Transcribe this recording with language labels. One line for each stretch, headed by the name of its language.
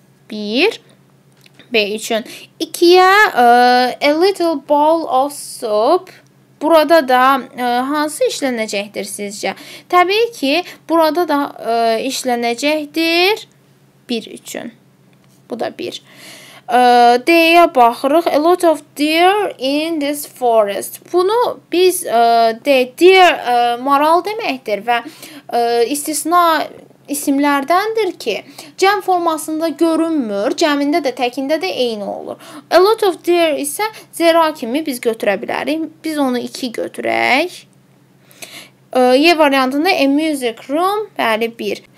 English: 1.
Azerbaijani: B üçün. İkiyə
English: a little bowl of soup.
Azerbaijani: Burada da hansı işlənəcəkdir sizcə? Təbii ki, burada da işlənəcəkdir. 1 üçün. Bu da 1. D-yə baxırıq.
English: A lot of deer in this forest.
Azerbaijani: Bunu biz deer maral deməkdir və istisna isimlərdəndir ki, cəm formasında görünmür, cəmində də, təkində də eyni olur. A lot of deer isə zera kimi biz götürə bilərik. Biz onu 2 götürək. Y variantında a music room, bəli, 1.